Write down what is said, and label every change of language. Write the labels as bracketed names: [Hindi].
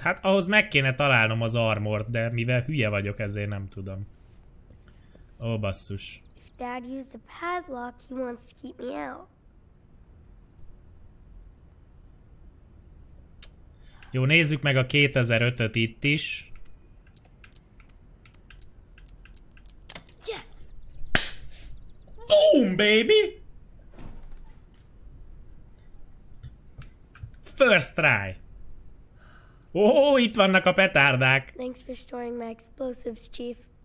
[Hungarian] Hát ahhoz meg kéne találnom az armort, de mivel hülye vagyok, ezért nem tudom. Ó, basszus. [English] If dad used a padlock, he wants to keep me out. [Hungarian] Jó, nézzük meg a 2005-öt itt is. [English] Yes! Boom, baby! First try! [Hungarian] Ó, oh, itt vannak a petárdák! [English] Thanks for storing my explosives, chief.